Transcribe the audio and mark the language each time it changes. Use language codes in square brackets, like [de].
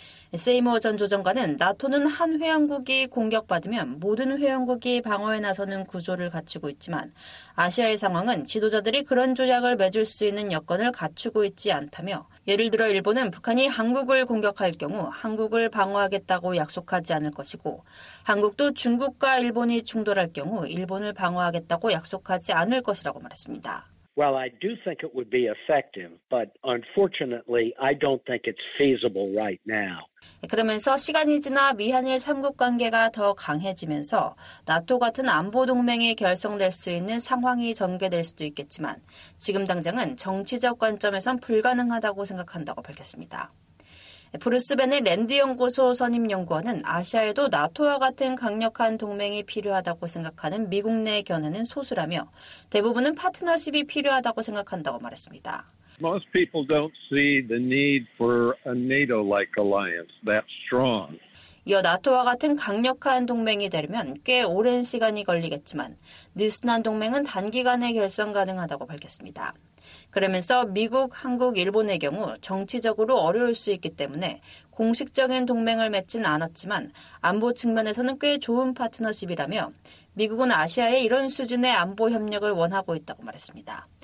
[ko] 세이머 전 조정관은 나토는 한 회원국이 공격받으면 모든 회원국이 방어에 나서는 구조를 갖추고 있지만 아시아의 상황은 지도자들이 그런 조약을 맺을 수 있는 여건을 갖추고 있지 않다며 예를 들어 일본은 북한이 한국을 공격할 경우 한국을 방어하겠다고 약속하지 않을 것이고 한국도 중국과 일본이 충돌할 경우 일본을 방어하겠다고 약속하지 않을 것이라고 말했습니다. [en] Well, I do think it would be effective, but unfortunately, I don't think it's feasible right now. [ko] 그러면서 시간이 지나 미한일 3국 관계가 더 강해지면서 나토 같은 안보 동맹이 결성될 수 있는 상황이 전개될 수도 있겠지만 지금 당장은 정치적 관점에선 불가능하다고 생각한다고 밝혔습니다. 브루스 벤의 랜드 연구소 선임 연구원은 아시아에도 나토와 같은 강력한 동맹이 필요하다고 생각하는 미국 내 견해는 소수라며 대부분은 파트너십이 필요하다고 생각한다고 말했습니다. [en] Most people don't see the need for a NATO-like alliance that strong. [ko] 이어 나토와 같은 강력한 동맹이 되려면 꽤 오랜 시간이 걸리겠지만 느슨한 동맹은 단기간에 결성 가능하다고 밝혔습니다. 그러면서 미국, 한국, 일본의 경우 정치적으로 어려울 수 있기 때문에 공식적인 동맹을 맺진 않았지만 안보 측면에서는 꽤 좋은 파트너십이라며 미국은 아시아에 이런 수준의 안보 협력을 원하고 있다고 말했습니다.